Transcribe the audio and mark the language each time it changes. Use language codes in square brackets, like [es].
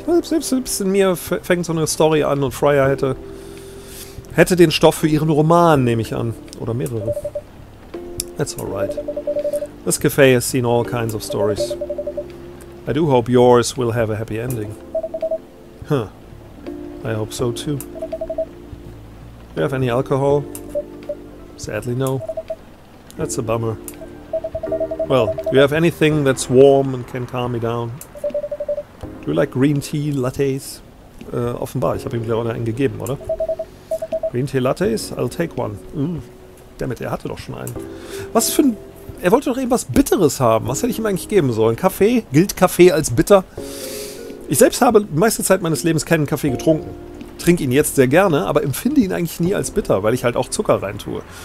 [de] In mir fängt so eine Story an und Freya hätte den Stoff für ihren Roman, nehme ich an. Oder mehrere. [en] That's all right. This cafe has seen all kinds of stories. I do hope yours will have a happy ending. Huh. I hope so too. Do you have any alcohol? Sadly, no. That's a bummer. Well, do you have anything that's warm and can calm me down? Do you like green tea lattes? [de] Offenbar, ich habe ihm gerade einen gegeben, oder? [en] Green tea lattes? I'll take one. [de] Mm. Dammit, er hatte doch schon einen. Was für ein... Er wollte doch irgendwas Bitteres haben. Was hätte ich ihm eigentlich geben sollen? Kaffee? Gilt Kaffee als bitter? Ich selbst habe die meiste Zeit meines Lebens keinen Kaffee getrunken. Trinke ihn jetzt sehr gerne, aber empfinde ihn eigentlich nie als bitter, weil ich halt auch Zucker reintue.